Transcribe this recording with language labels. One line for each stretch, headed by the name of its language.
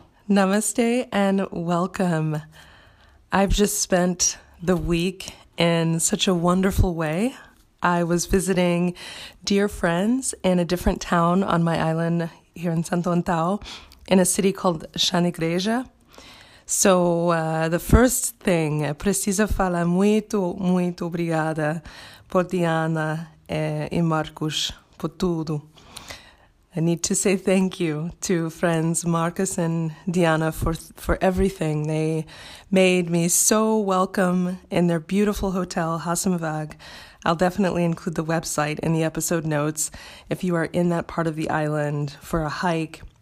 English: Namaste and welcome. I've just spent the week in such a wonderful way. I was visiting dear friends in a different town on my island here in Santo Antão, in a city called Chanigreja. So the first thing,
Portuguese: preciso falar muito, muito obrigada por Diana e Marcos, por tudo.
English: I need to say thank you to friends Marcus and Diana for everything. They made me so welcome in their beautiful hotel, Hasamvag. I'll definitely include the website in the episode notes if you are in that part of the island for a hike.